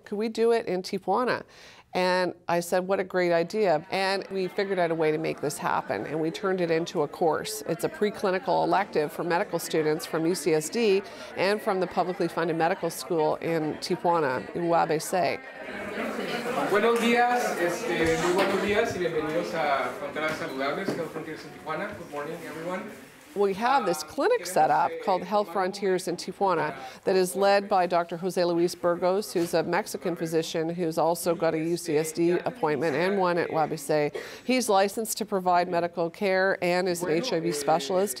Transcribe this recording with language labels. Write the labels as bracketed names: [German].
[English] Could we do it in Tijuana? And I said, what a great idea. And we figured out a way to make this happen, and we turned it into a course. It's a preclinical elective for medical students from UCSD and from the publicly funded medical school in Tijuana, in Huabe Say. [Spanish] Buenos días, muy buenos días, y bienvenidos a Fronteras Saludables, Health Frontiers in Tijuana. [English] Good morning, everyone. We have this clinic set up called Health Frontiers in Tijuana that is led by Dr. Jose Luis Burgos, who's a Mexican physician who's also got a UCSD appointment and one at Huabe Say. He's licensed to provide medical care and is an HIV specialist.